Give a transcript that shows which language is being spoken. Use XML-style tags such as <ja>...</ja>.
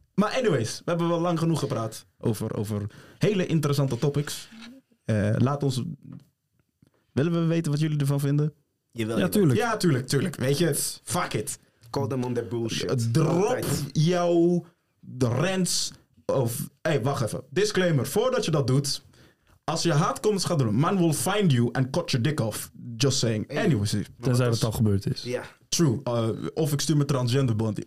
<nl>Maar anyways, we hebben wel lang genoeg gepraat over hele interessante topics. Laat ons... Willen we weten wat jullie ervan vinden? Jawel, ja, tuurlijk. Ja, tuurlijk. Weet je,</nl> <en>fuck it. Call them on their bullshit.</en> <nl>Drop jouw rants of... Hey, wacht even. Disclaimer, voordat je dat doet... Als je haatcomments gaat doen...</nl> <en>Man will find you and cut your dick off. Just saying. Hey, anyways.</en> <nl>Tenzij het al gebeurd is. Ja. Yeah.</nl> <en>True.</en> <nl>Of ik stuur mijn transgender bond.</nl>